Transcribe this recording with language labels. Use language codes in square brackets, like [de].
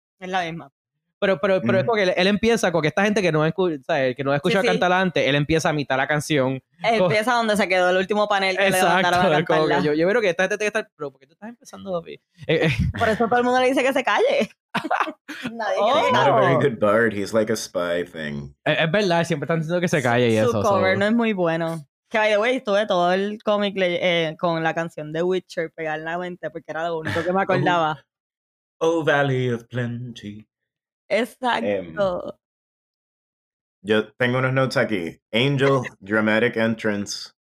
[es] Es la misma. Pero es porque él empieza con que esta gente que no escucha, que no escucha sí. cantar antes, él empieza a mitad la canción. Empieza donde se quedó el último panel que exacto, le levantaron a cantarla. Exacto, yo creo que esta gente tiene que estar, pero ¿por qué tú estás empezando, papi? Por eso todo el mundo le dice que se calle. Nadie [en] oh, he's not a very good bird, he's like a spy thing. [es] Es verdad, siempre están diciendo que se calle y su eso. Su cover no es muy bueno. Que, [en] by the way, [es] estuve todo el cómic con la canción de Witcher pegada en la mente porque era lo único que me acordaba. [en] Oh, Valley of Plenty. [es] Exacto. Yo tengo unos notes aquí. [en] Angel, dramatic entrance.